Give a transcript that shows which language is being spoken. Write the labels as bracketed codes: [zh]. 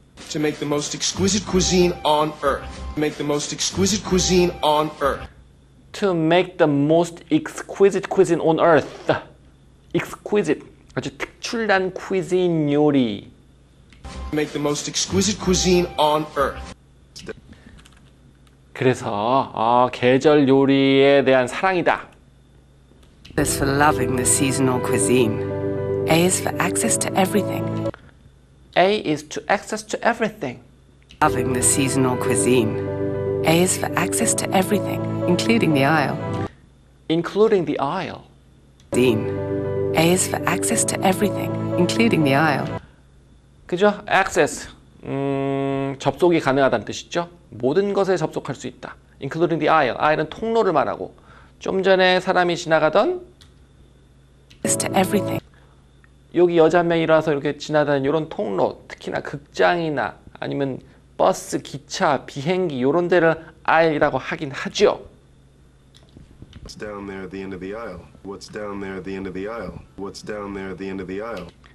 [en] To make the most exquisite cuisine on earth. To make the most exquisite cuisine on earth. To make the most exquisite cuisine on earth. [ko] Exquisite. 아주 특출난 cuisine 요리. [en] To make the most exquisite cuisine on earth. [ko] 그래서 계절 요리에 대한 사랑이다. [en] A is for loving the seasonal cuisine. A is for access to everything. A is to access to everything. Loving the seasonal cuisine. A is for access to everything, including the aisle. Including the aisle. Dean. A is for access to everything, including the aisle. [ko] 그죠? Access. 접속이 가능하다는 뜻이죠. 모든 것에 접속할 수 있다. [en] Including the aisle. Aisle은 [ko] 통로를 말하고. 좀 전에 사람이 지나가던. [en] Is to everything. [ko] 여기 여자 한 명이 일어나서 이렇게 지나다니는 이런 통로, 특히나 극장이나 아니면 버스, 기차, 비행기 이런 데를 아일이라고 하긴 하죠. [en] What's down there at the end of the aisle? What's down there at the end of the aisle? What's down there at the end of the aisle?